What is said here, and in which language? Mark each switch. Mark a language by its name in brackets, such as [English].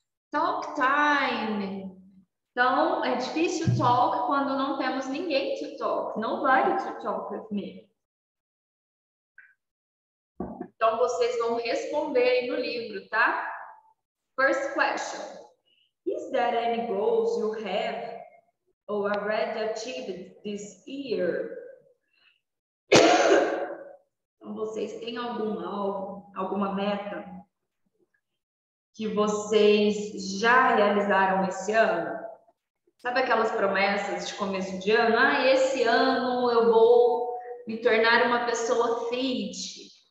[English] Talk time. [Portuguese] Então, é difícil talk quando não temos ninguém to talk. [English] Nobody to talk with me. [Portuguese] Então, vocês vão responder aí no livro, tá? [English] First question. Is there any goals you have or already achieved this year? [Portuguese] Então, vocês têm algum alvo, alguma meta que vocês já realizaram esse ano? Sabe aquelas promessas de começo de ano? Ah, esse ano eu vou me tornar uma pessoa fit.